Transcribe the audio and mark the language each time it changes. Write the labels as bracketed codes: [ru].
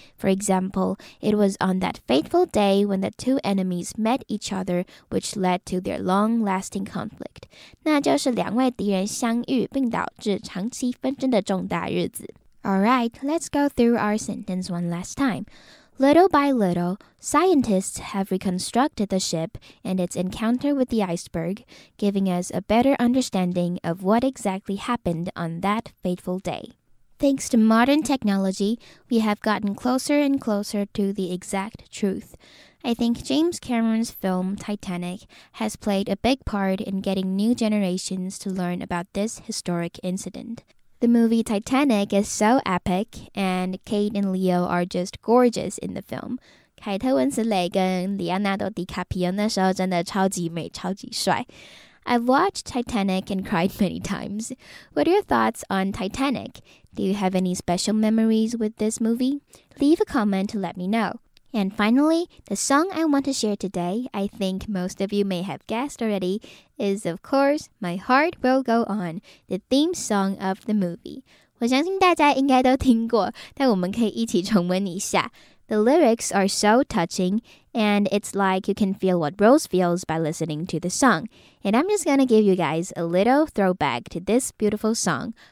[en] For example, it was on that fateful day when the two enemies met each other, which led to their long-lasting conflict. [zh] 那就是两位敌人相遇并导致长期纷争的重大日子。 [en] Alright, let's go through our sentence one last time. Little by little, scientists have reconstructed the ship and its encounter with the iceberg, giving us a better understanding of what exactly happened on that fateful day. Thanks to modern technology, we have gotten closer and closer to the exact truth. I think James Cameron's film Titanic has played a big part in getting new generations to learn about this historic incident. The movie Titanic is so epic, and Kate and Leo are just gorgeous in the film. [zh] 凯特温斯雷跟里奥纳多·迪卡皮奥那时候真的超级美、超级帅。 [en] I've watched Titanic and cried many times. What are your thoughts on Titanic? Do you have any special memories with this movie? Leave a comment to let me know. And finally, the song I want to share today, I think most of you may have guessed already, is of course, My Heart Will Go On, the theme song of the movie. [zh] 我相信大家应该都听过，但我们可以一起重温一下。 [en] The lyrics are so touching, and it's like you can feel what Rose feels by listening to the song. And I'm just gonna give you guys a little throwback to this beautiful song.